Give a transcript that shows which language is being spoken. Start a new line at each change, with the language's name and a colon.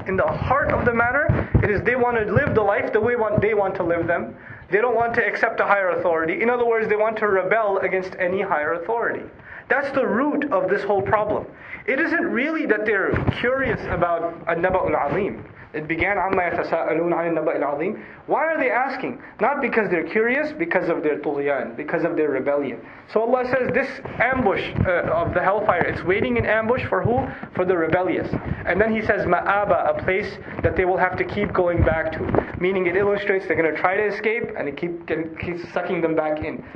English: In the heart of the matter, it is they want to live the life the way they want to live them. They don't want to accept a higher authority. In other words, they want to rebel against any higher authority. That's the root of this whole problem. It isn't really that they're curious about an-naba'ul 'azim. It began,
Arabic: عَمَّا يَتَسَاءَلُونَ عَنِ النَّبَأِ الْعَظِيمِ.
English: Why are they asking? Not because they're curious, because of their طُغْيَان, because of their rebellion. So Allah says, this ambush of the hellfire, it's waiting in ambush for who? For the rebellious. And then He says, مَآبَ, a place that they will have to keep going back to. Meaning it illustrates they're going to try to escape, and it keeps sucking them back in.